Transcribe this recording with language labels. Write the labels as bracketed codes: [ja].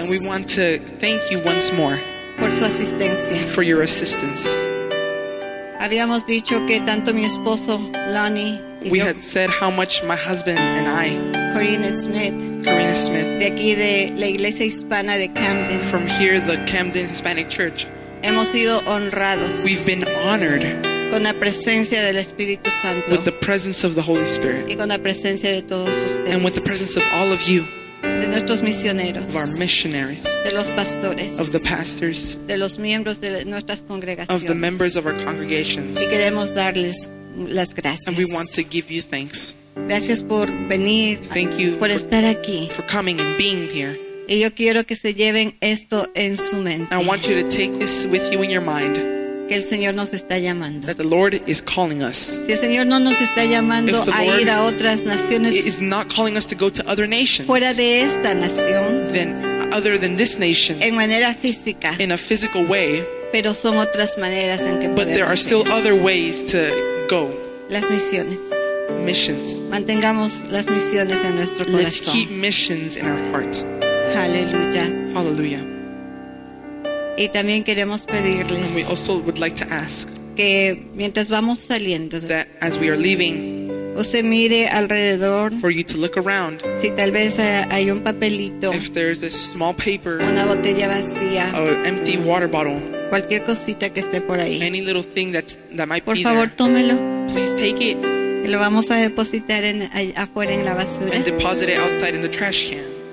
[en] and we want to thank you once more, [es] por su asistencia, [en] for your assistance. [es] Habíamos dicho que tanto mi esposo Lonnie, [en] we had said how much my husband and I, [es] Corina Smith, de aquí de la iglesia hispana de Camden, [en] from here the Camden Hispanic Church, [es] hemos sido honrados, [en] we've been honored, [es] con la presencia del Espíritu Santo, [en] with the presence of the Holy Spirit, [es] y con la presencia de todos ustedes, [en] and with the presence of all of you, [es] de nuestros misioneros, [en] of our missionaries, [es] de los pastores, [en] of the pastors, [es] de los miembros de nuestras congregaciones, [en] of the members of our congregations, [es] y queremos darles las gracias, [en] and we want to give you thanks. [es] Gracias por venir, [en] thank you [es] por estar aquí, [en] for coming and being here. [es] Y yo quiero que se lleven esto en su mente. [en] I want you to take this with you in your mind. [es] Que el Señor nos está llamando. [en] That the Lord is calling us. [es] Si el Señor no nos está llamando a ir a otras naciones, [en] is not calling us to go to other nations, [es] fuera de esta nación, [en] then other than this nation, [es] en manera física, [en] in a physical way, [es] pero son otras maneras en que [en] podemos. But there are still other ways to go. [es] Las misiones. [en] Missions. [es] Mantengamos las misiones en nuestro corazón. [en] Let's keep missions in our heart. Hallelujah. Hallelujah. [es] Y también queremos pedirles, [en] and we also would like to ask, [es] que mientras vamos saliendo, [en] that as we are leaving, [es] usted mire alrededor, [en] for you to look around, [es] si tal vez hay un papelito, [en] if there's a small paper, [es] una botella vacía, [en] or an empty water bottle, [es] cualquier cosita que esté por ahí, [en] any little thing that's, that might [es] por [en] be [es] favor, [en] there, [es] tómelo. [en] Please take it. [es] Y lo vamos a depositar en, afuera en la basura. [en] And deposit it outside in the trash can.